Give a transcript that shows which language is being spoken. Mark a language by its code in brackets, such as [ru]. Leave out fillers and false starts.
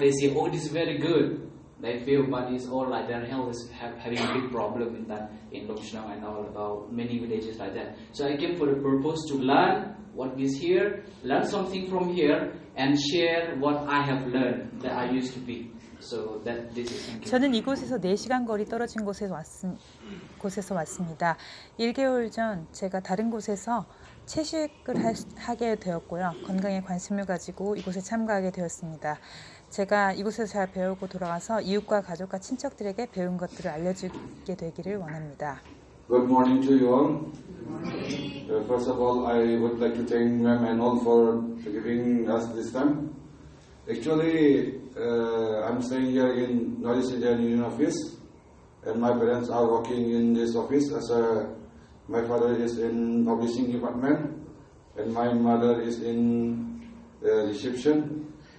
[en] They say, oh, this is very good. They feel, but it's all like their health is having a big problem in that, in Lokshana and all about many villages like that. So I came for the purpose to learn what is here, learn something from here, and share what I have learned that I used to be. So that this is. Thank you. [ko] 저는 이곳에서 4시간 거리 떨어진 곳에 곳에서 왔습니다. 1개월 전 제가 다른 곳에서 채식을 하게 되었고요. 건강에 관심을 가지고 이곳에 참가하게 되었습니다. 제가 이곳에서 잘 배우고 돌아와서 이웃과 가족과 친척들에게 배운 것들을 알려주게 되기를 원합니다. [en] Good morning to you all. Good morning. First of all, I would like to thank ma'am and all for giving us this time. Actually, I'm staying here in North India Union office, and my parents are working in this office as a My father is in publishing department, and my mother is in reception.